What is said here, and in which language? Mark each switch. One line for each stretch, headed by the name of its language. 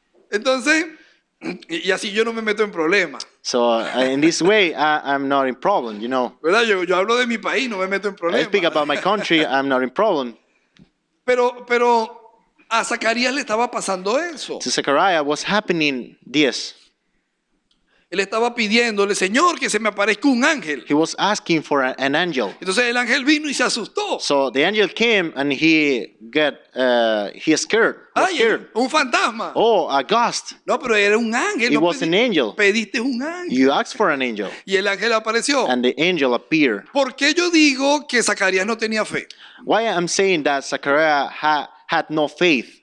Spanish: Entonces, y así yo no me meto en problemas.
English: So in this way, I'm not in problem, you know.
Spanish: ¿Verdad? Yo hablo de mi país, no me meto en problemas.
English: I speak about my country, I'm not in problem.
Spanish: Pero a Zacarías le estaba pasando eso.
English: To Zachariah was happening this.
Spanish: Él estaba pidiéndole, Señor, que se me aparezca un ángel.
English: He was asking for an angel.
Spanish: Entonces el ángel vino y se asustó.
English: So the angel came and he scared.
Spanish: Ay, un fantasma.
English: Oh, a ghost.
Spanish: No, pero era un ángel.
English: It was an angel.
Spanish: Pediste un ángel.
English: You asked for an angel.
Spanish: Y el ángel apareció.
English: And the angel appeared.
Spanish: ¿Por qué yo digo que Zacarías no tenía fe?
English: Why I'm saying that Zachariah had no faith?